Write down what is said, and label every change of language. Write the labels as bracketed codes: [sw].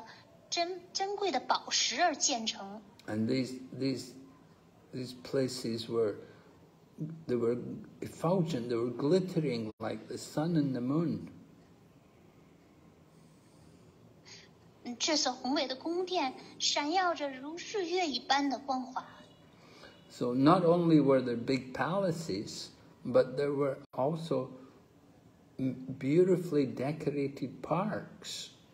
[zh] 之前他们住的是一所小茅屋，现在已经变成了宏伟的宫殿，并且以珍贵的宝石而建成。 [en] And these places were effulgent, they were glittering like the sun and the moon. [zh] 这所宏伟的宫殿闪耀着如日月一般的光华。 [en] So not only were there big palaces, but there were also beautifully decorated parks.